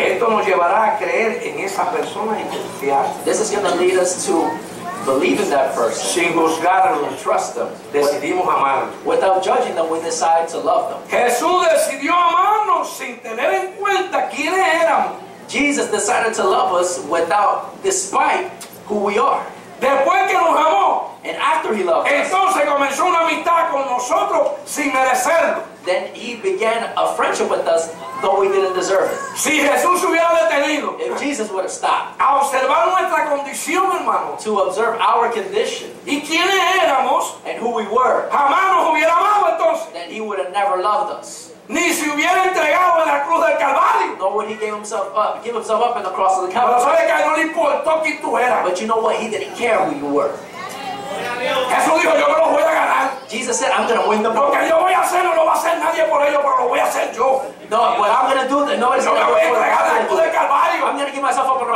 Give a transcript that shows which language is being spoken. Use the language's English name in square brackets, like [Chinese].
[Spanish] esto nos llevará a creer en esa persona y confiar. [English] This is going to lead us to believe in that person. [Spanish] Sin juzgarlo, [English] trust them. [Spanish] Decidimos amar. [English] Without judging them, we decide to love them. [Spanish] Jesús decidió amarnos sin tener en cuenta quiénes éramos. [English] Jesus decided to love us without, despite who we are. [Spanish] Después que nos amó, [English] and after he loved [Spanish] entonces [English] us, [Spanish] entonces comenzó una amistad con nosotros sin merecerlo. [English] Then he began a friendship with us, though we didn't deserve it. [Spanish] Si Jesús hubiera detenido, [English] if Jesus would have stopped, [Spanish] a observar nuestra condición, hermano, [English] to observe our condition, [Spanish] y quiénes éramos, [English] and who we were, [Spanish] jamás nos hubiera amado entonces. [English] Then he would have never loved us. [Spanish] Ni si hubiera entregado en la cruz del Calvario. [English] Nor would he give himself up in the cross of the Calvary. [Spanish] Pero sabes que no le importó quién tú eras. [English] But you know what? He didn't care who you were. [Spanish] Jesús dijo, yo me lo voy a ganar. [English] Jesus said, I'm going to win the war. [Spanish] Porque yo voy a hacerlo, no va a hacer nadie por ello, pero lo voy a hacer yo. [English] No, what I'm going to do, nobody's going to do [Spanish] it. Yo me voy a entregar en la cruz del Calvario. [English] I'm going to give myself up in the